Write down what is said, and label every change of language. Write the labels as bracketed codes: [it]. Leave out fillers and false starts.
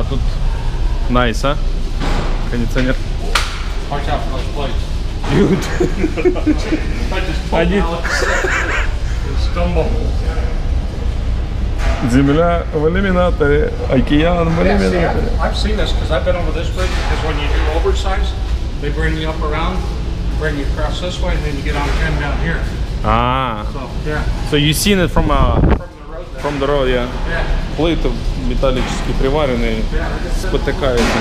[ru] Да, тут найс, а? Кондиционер. [en] Watch out for those plates. Dude. I just pulled out. Stumble. [ru] Земля в иллюминаторе, океан в иллюминаторе. [en] I've seen this because I've been over this bridge because when you do oversize, they bring you up around, bring you across this way, and then you get on again down here. Ah. So yeah. So you've seen it from from the road. There. From the road, yeah. Yeah. [ru] Плиты металлические приваренные, спотыкаются.